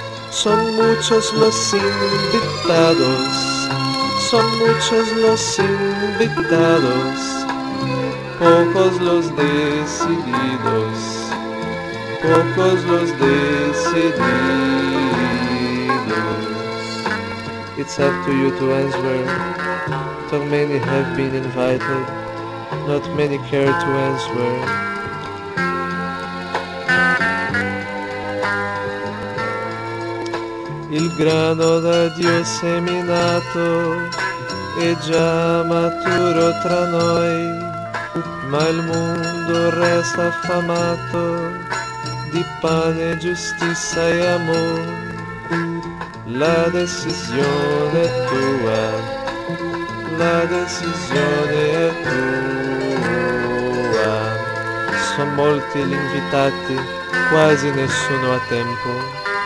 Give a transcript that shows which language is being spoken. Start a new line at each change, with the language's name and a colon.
Spanish: Son muchos los invitados, son muchos los invitados, pocos los decididos, pocos los decididos.
English: It's up to you to answer. So many have been invited, not many care to answer.
Italian: Il grano da Dio seminato è già maturo tra noi, ma il mondo resta affamato di pane, giustizia e amor.
Spanish: La decisión es tua, la decisión es tua.
Italian: Son molti gli invitati, quasi nessuno a tempo.